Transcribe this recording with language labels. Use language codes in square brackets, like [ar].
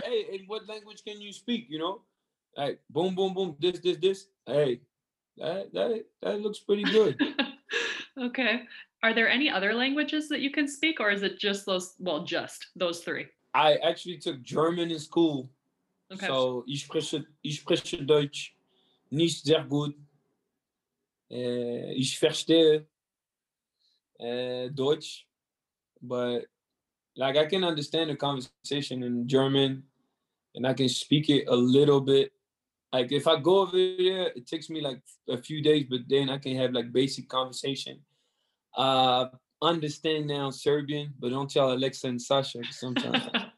[en] Hey, in what language can you speak? You know, like boom, boom, boom. This. Hey, that looks pretty good. Okay. Are there any other languages that you can speak, or is it just those? Well, just those three. I actually took German in school. Okay. [de] So ich spreche Deutsch nicht sehr gut. Ich verstehe Deutsch, [en] but. Like, I can understand a conversation in German, and I can speak it a little bit. Like, if I go over there, it takes me, like, a few days, but then I can have, like, basic conversation. Understand now Serbian, but don't tell Alexa and Sasha sometimes.